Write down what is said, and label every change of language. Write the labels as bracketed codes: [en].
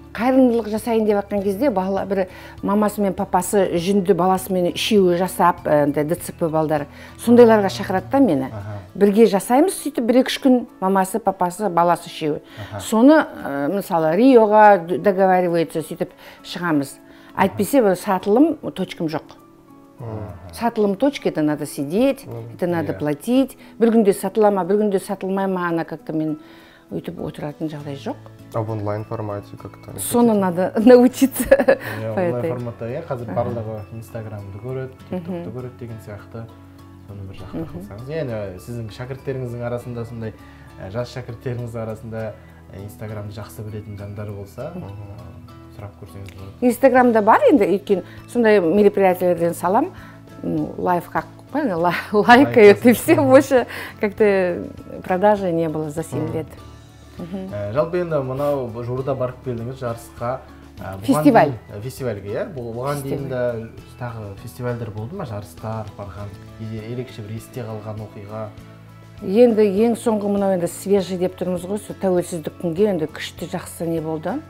[kk] Қайырымдылық жасайын деп жатқан кезде бала бір мамасы мен папасы жүнді баласымен үшеуі жасап, ДЦП балдар сондайларға шақырады да мені. Бірге жасаймыз, сөйтіп бір-екі күн мамасы, папасы, баласы үшеуі. Соны мысалы Риоға договаривается, сөйтіп шығамыз. Әйтпесе сатылым точкам жоқ. [ru] Сатылым точка, это надо сидеть, это надо платить. [kk] Бір күнде сатыла ма, бір күнде сатылмай ма, ана как-то мен өйтіп отыратын жағдай жоқ. [ru] А в онлайн-формате как-то? Соны надо научиться. В онлайн-форматта, [kk] я қазір барлығы Инстаграмды көреді, Тиктокты көреді деген сияқты. Соны бір жақта қылсаңыз. Яғни сіздің шәкірттеріңіздің арасында, сондай жас шәкірттеріңіз арасында Инстаграмды жақсы білетін жандар болса, сұрап көрсеңіз болады. Инстаграмда бар енді, өйткені сондай мероприятиелерден салам, [ru] лайкают, и все, больше как-то продажи не было за 7 лет. [kk] Жалпы енді мынау жуырда барып келдіңіз жарысқа. Фестиваль. Фестивальге, иә? Бұған дейін де тағы фестивальдер болды ма? Жарыстар барған, ерекше бір есте қалған оқиға? Енді ең соңғы мынау енді свежий деп тұрмыз ғой, сол тәуелсіздік күнге енді күшті жақсы не болды.